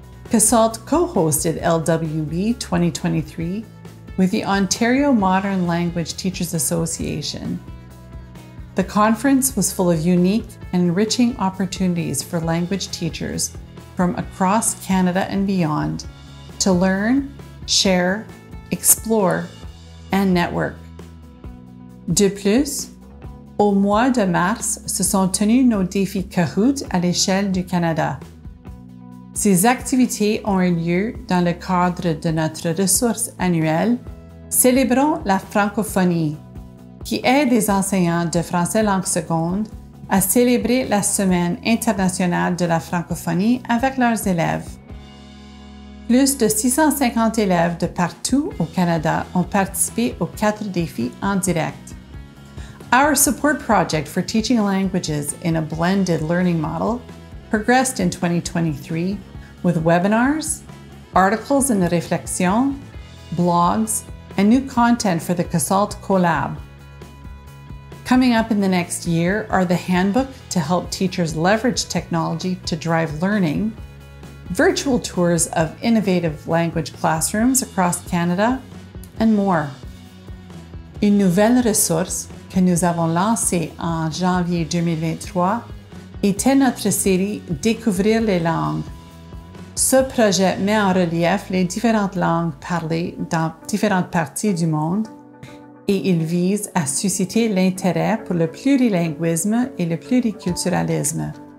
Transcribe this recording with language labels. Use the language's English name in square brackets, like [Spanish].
[English] Gesalt co-hosted LWB 2023 with the Ontario Modern Language Teachers Association. The conference was full of unique and enriching opportunities for language teachers from across Canada and beyond to learn, share, explore, and network. [French] De plus, au mois de mars, se sont tenus nos défis Kahoot à l'échelle du Canada. Ces activités ont eu lieu dans le cadre de notre ressource annuelle Célébrons la francophonie, qui aide les enseignants de français langue seconde à célébrer la Semaine internationale de la francophonie avec leurs élèves. Plus de 650 élèves de partout au Canada ont participé aux quatre défis en direct. [English] Our support project for teaching languages in a blended learning model progressed in 2023 with webinars, articles and réflexions, blogs, and new content for the Gesalt Collab. Coming up in the next year are the handbook to help teachers leverage technology to drive learning, virtual tours of innovative language classrooms across Canada, and more. [French] Une nouvelle ressource que nous avons lancée en janvier 2023 était notre série Découvrir les langues. Ce projet met en relief les différentes langues parlées dans différentes parties du monde et il vise à susciter l'intérêt pour le plurilinguisme et le pluriculturalisme.